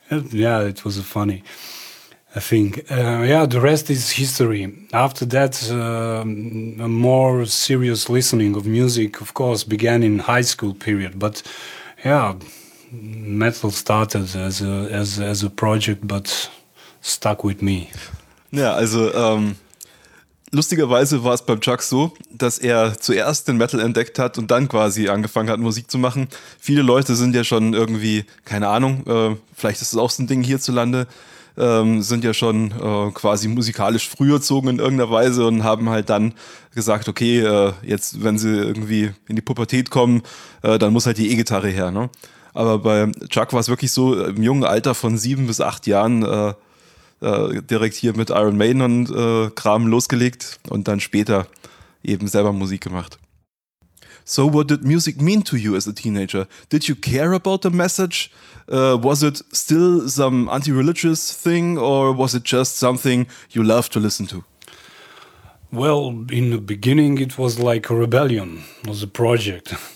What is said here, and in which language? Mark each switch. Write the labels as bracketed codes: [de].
[en] Yeah, it was funny, I think. Yeah, the rest is history. After that, a more serious listening of music, of course, began in high school period. But yeah, metal started as a project, but stuck with me. [de] Ja, also lustigerweise war es beim Chuck so, dass er zuerst den Metal entdeckt hat und dann quasi angefangen hat, Musik zu machen. Viele Leute sind ja schon irgendwie, keine Ahnung, vielleicht ist es auch so ein Ding hierzulande, sind ja schon quasi musikalisch früh erzogen in irgendeiner Weise und haben halt dann gesagt, okay, jetzt, wenn sie irgendwie in die Pubertät kommen, dann muss halt die E-Gitarre her. Ne? Aber bei Chuck war es wirklich so, im jungen Alter von 7 bis 8 Jahren direkt hier mit Iron Maiden und Kram losgelegt und dann später eben selber Musik gemacht. [en] So what did music mean to you as a teenager? Did you care about the message? Was it still some anti-religious thing or was it just something you loved to listen to? Well, in the beginning it was like a rebellion, it was a project.